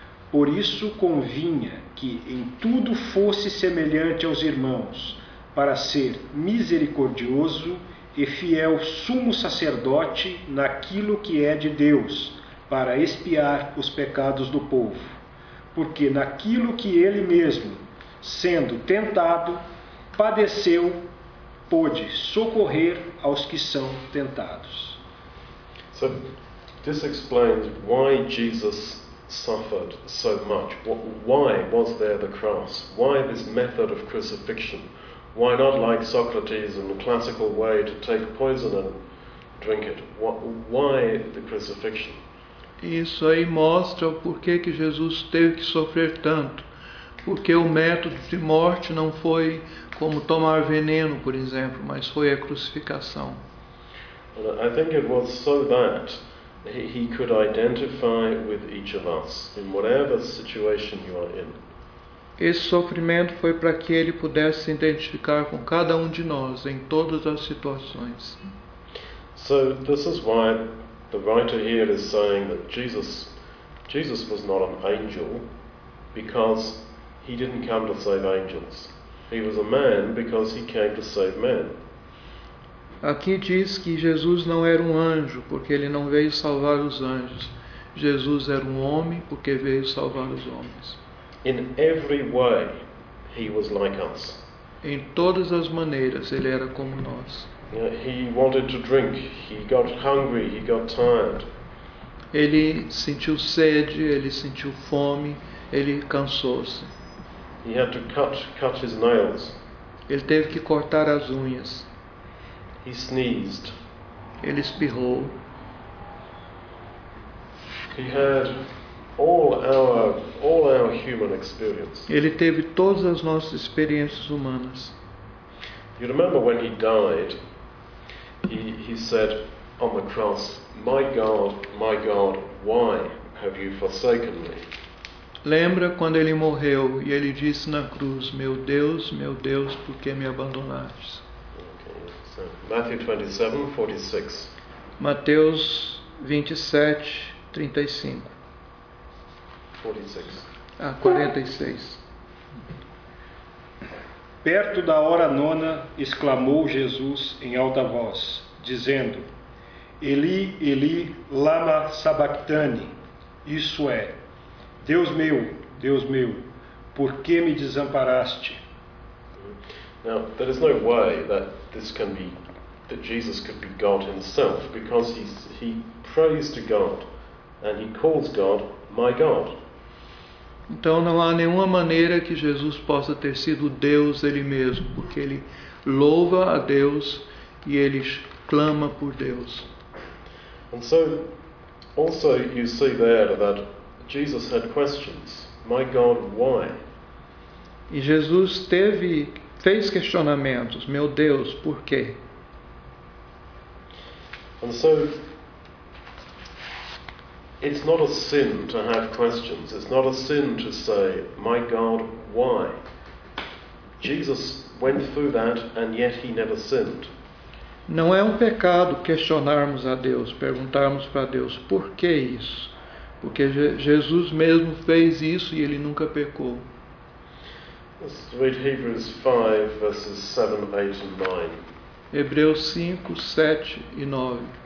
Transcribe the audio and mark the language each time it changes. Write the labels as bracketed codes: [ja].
[pt] Por isso convinha que em tudo fosse semelhante aos irmãos, para ser misericordioso e fiel sumo sacerdote naquilo que é de Deus, para expiar os pecados do povo. Porque naquilo que ele mesmo, sendo tentado, padeceu, pôde socorrer aos que são tentados. [en] So, this explains why Jesus suffered so much. Why was there the cross? Why this method of crucifixion? Why not, like Socrates, in the classical way, to take poison and drink it? Why the crucifixion? [pt] Isso aí mostra o porquê que Jesus teve que sofrer tanto. Porque o método de morte não foi como tomar veneno, por exemplo, mas foi a crucificação. [en] I think it was so that he could identify with each of us in whatever situation you are in. [pt] Esse sofrimento foi para que ele pudesse se identificar com cada um de nós em todas as situações. [en] So this is why the writer here is saying that Jesus was not an angel because he didn't come to save angels. He was a man because he came to save men. [pt] Aqui diz que Jesus não era um anjo porque ele não veio salvar os anjos. Jesus era um homem porque veio salvar os homens. [en] In every way, he was like us. [pt] Em todas as maneiras, ele era como nós. [en] He wanted to drink. He got hungry. He got tired. [pt] Ele sentiu sede. Ele sentiu fome. Ele cansou-se. [en] He had to cut his nails. [pt] Ele teve que cortar as unhas. [en] He sneezed. [pt] Ele espirrou. [en] He had all our human experience. [pt] Ele teve todas as nossas experiências humanas. [en] You remember when he died? He said on the cross, my God, why have you forsaken me? [pt] Lembra quando ele morreu e ele disse na cruz, meu Deus, por que me abandonaste? [en] Okay, so Matthew 27:46. [pt] Mateus 27:35. 46. Perto da hora nona, exclamou Jesus em alta voz, dizendo, [arc] Eli, Eli, lama sabactani, [pt] isso é, Deus meu, por que me desamparaste? [en] Now, there is no way that this can be, that Jesus could be God himself, because he prays to God, and he calls God, my God. [pt] Então não há nenhuma maneira que Jesus possa ter sido Deus ele mesmo, porque ele louva a Deus e ele clama por Deus. [en] And so, also you see there that Jesus had questions. My God, why? [pt] E Jesus teve, fez questionamentos. Meu Deus, por quê? [en] And so, it's not a sin to have questions. It's not a sin to say, my God, why? Jesus went through that and yet he never sinned. [pt] Não é um pecado questionarmos a Deus, perguntarmos para Deus, por que isso? Porque Jesus mesmo fez isso e ele nunca pecou. [en] Let's read Hebrews 5, verses 7, 8 and 9. [pt] Hebreus 5, 7 e 9.